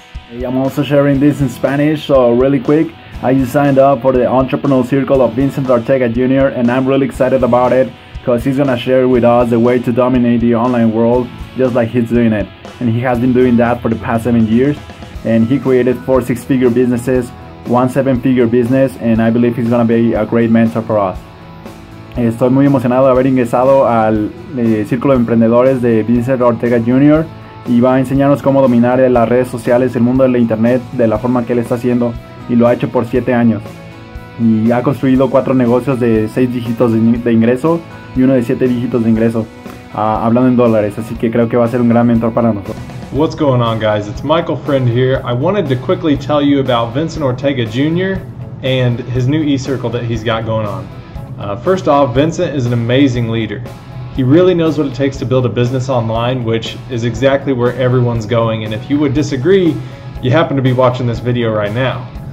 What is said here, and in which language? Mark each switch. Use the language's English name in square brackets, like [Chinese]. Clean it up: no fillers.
[English] I'm also sharing this in Spanish, so really quick, I just signed up for the Entrepreneur Circle of Vincent Ortega Jr., and I'm really excited about it, because he's gonna share with us a way to dominate the online world, just like he's doing it. And he has been doing that for the past 7 years, and he created 4 6-figure businesses, 1 7-figure business, and I believe he's gonna be a great mentor for us. [Spanish] Estoy muy emocionado de haber ingresado al Círculo de Emprendedores de Vincent Ortega Jr., y va a enseñarnos cómo dominar las redes sociales, el mundo de la internet, de la forma que él está haciendo, y lo ha hecho por 7 años. Y ha construido 4 negocios de 6 dígitos de ingreso y uno de 7 dígitos de ingreso, hablando en dólares, así que creo que va a ser un gran mentor para nosotros. [English] What's going on, guys? It's Michael Friend here. I wanted to quickly tell you about Vincent Ortega Jr. and his new e-circle that he's got going on. First off, Vincent is an amazing leader. He really knows what it takes to build a business online, which is exactly where everyone's going. And if you would disagree, you happen to be watching this video right now.